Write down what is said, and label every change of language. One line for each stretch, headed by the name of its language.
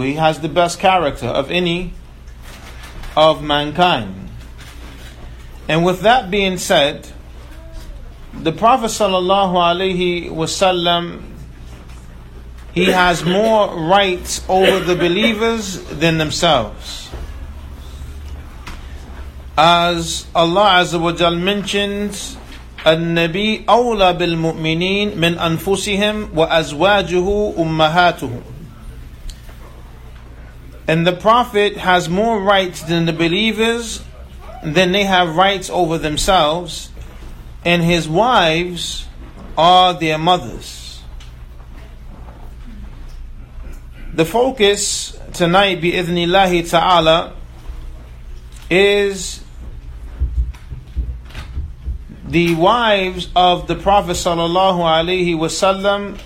English: He has the best character of any of mankind. And with that being said, the Prophet sallallahu alaihi wasallam, he has more rights over the believers than themselves. As Allah Azza wa Jal mentions,
Arabic: النبي أولى بالمؤمنين من أنفسهم وأزواجه أمهاتهم.
English: And the Prophet has more rights than the believers than they have rights over themselves, and his wives are their mothers. The focus tonight, bi-idhnillahi ta'ala, is the wives of the Prophet sallallahu alaihi wasallam.